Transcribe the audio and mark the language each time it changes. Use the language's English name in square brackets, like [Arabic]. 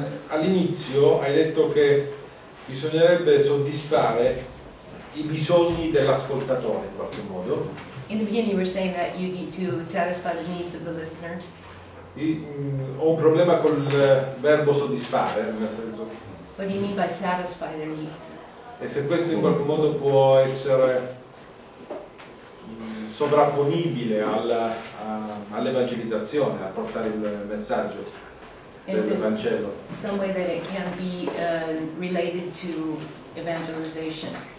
[Italian] All'inizio hai detto che bisognerebbe soddisfare i bisogni dell'ascoltatore in qualche modo. [English] In the beginning you were saying that you need to satisfy the needs of the listener. [Italian] Ho un problema col verbo soddisfare, nel senso. [English] What do you mean by satisfy their needs? [Italian] E se questo in qualche modo può essere sovrapponibile all'evangelizzazione, a portare il messaggio del Vangelo. [English] In some way that it can be related to evangelization.